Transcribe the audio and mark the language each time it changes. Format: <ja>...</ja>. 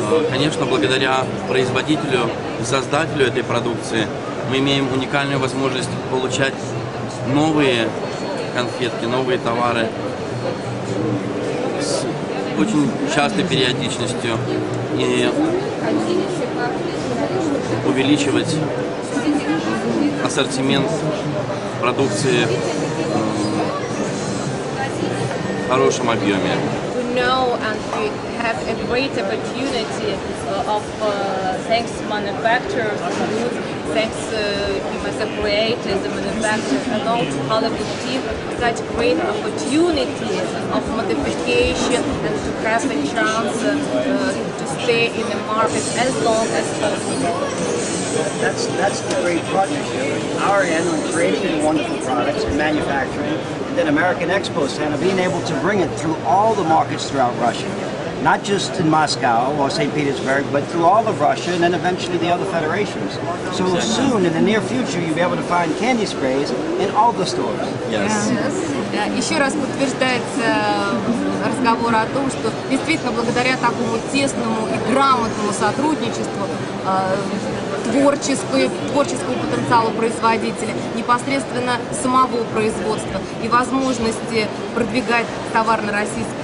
<ru>Конечно, благодаря производителю, создателю этой продукции, мы имеем уникальную возможность получать новые конфетки, новые товары с очень частой периодичностью и увеличивать ассортимент продукции в хорошем объеме.</ru> <en>We know and we have a great opportunity of thanks manufacturers, thanks him as a creator, as a manufacturer, and all to Hollywood team such great opportunity of modification and to have a chance to stay in the market as long as possible. That's the great partnership. Our end on creating wonderful products and manufacturing, and then American Expo Center being able to bring it through all the markets throughout Russia, not just in Moscow or St. Petersburg, but through all of Russia and then eventually the other federations. So exactly. Soon, in the near future, you'll be able to find candy sprays in all the stores. Yes.</en> <ru>Еще раз подтверждается разговор о том, что действительно благодаря такому тесному и грамотному сотрудничеству творческого потенциала производителя, непосредственно самого производства и возможности продвигать товар на российский</ru>